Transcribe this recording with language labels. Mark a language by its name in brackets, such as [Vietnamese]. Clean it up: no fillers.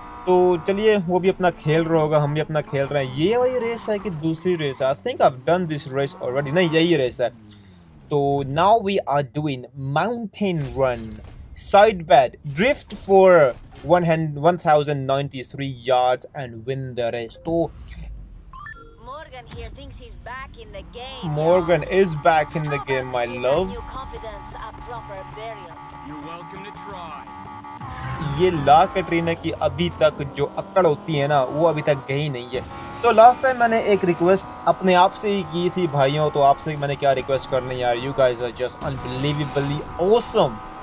[Hindi] तो चलिए, वो भी अपना खेल रहा होगा, हम भी अपना खेल रहे हैं। ये वही रेस है कि दूसरी रेस है? [English] I think I have done this race already. [Hindi] नहीं, यही रेस है। [English] तो now we are doing mountain run side bed drift for 1093 yards and win the race. [Hindi] तो [English] Morgan here thinks he's back in the game. Morgan is back in the game, my love. You're welcome to try. [Hindi] ये ला कैटरीना की अभी तक जो अक्कड़ होती है ना वो अभी तक गई नहीं है। तो लास्ट टाइम मैंने एक रिक्वेस्ट अपने आप से ही की थी भाइयों, तो आपसे मैंने क्या रिक्वेस्ट करनी यार, [English] You guys are just unbelievably awesome.